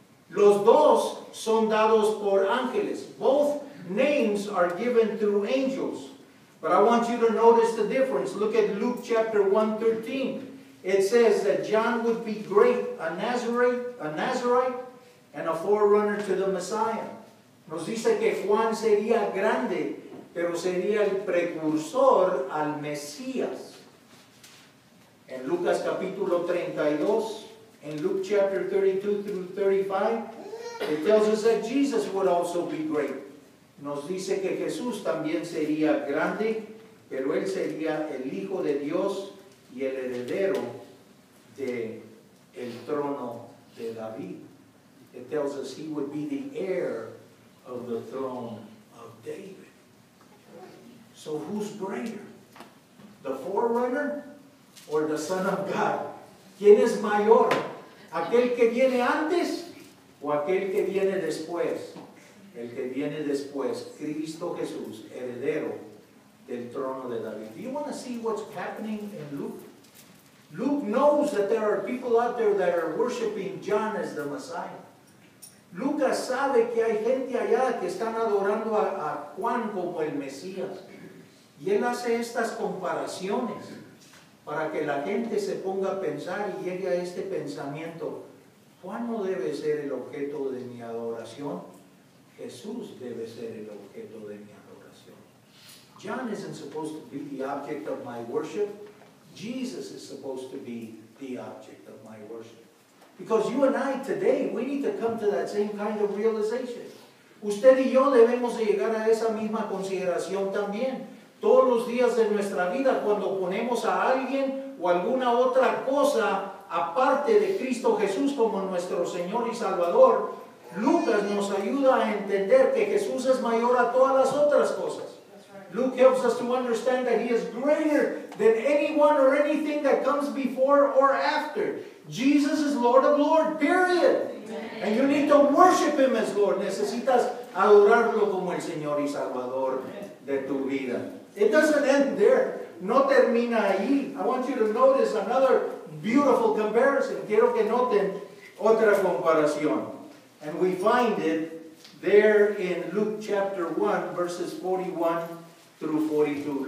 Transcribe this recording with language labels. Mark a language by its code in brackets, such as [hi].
[es] Los dos son dados por ángeles. [en] Both names are given through angels. But I want you to notice the difference. Look at Luke chapter 1:13. It says that John would be great, a Nazarite, and a forerunner to the Messiah. [es] Nos dice que Juan sería grande, pero sería el precursor al Mesías. En Lucas capítulo 32, [en] in Luke chapter 32 through 35, it tells us that Jesus would also be great. [es] Nos dice que Jesús también sería grande, pero él sería el Hijo de Dios y el heredero del trono de David. [en] It tells us he would be the heir of the throne of David. So who's greater, the forerunner or the Son of God? [es] ¿Quién es mayor, aquel que viene antes o aquel que viene después? El que viene después, Cristo Jesús, heredero del trono de David. [en] Do you want to see what's happening in Luke? Luke knows that there are people out there that are worshiping John as the Messiah. [es] Lucas sabe que hay gente allá que están adorando a Juan como el Mesías. Y él hace estas comparaciones para que la gente se ponga a pensar y llegue a este pensamiento: Juan no debe ser el objeto de mi adoración, Jesús debe ser el objeto de mi adoración. [en] John isn't supposed to be the object of my worship, Jesus is supposed to be the object of my worship. Because you and I today, we need to come to that same kind of realization. [es] Usted y yo debemos llegar a esa misma consideración también. Todos los días de nuestra vida, cuando ponemos a alguien o alguna otra cosa aparte de Cristo Jesús como nuestro Señor y Salvador, Lucas nos ayuda a entender que Jesús es mayor a todas las otras cosas. [en] Luke helps us to understand that he is greater than anyone or anything that comes before or after. Jesus is Lord of Lord, period. Amen. And you need to worship him as Lord. [es] Necesitas adorarlo como el Señor y Salvador de tu vida. [en] It doesn't end there. [es] No termina ahí. [en] I want you to notice another beautiful comparison. [es] Quiero que noten otra comparación. [en] And we find it there in Luke chapter 1, verses 41 through 42.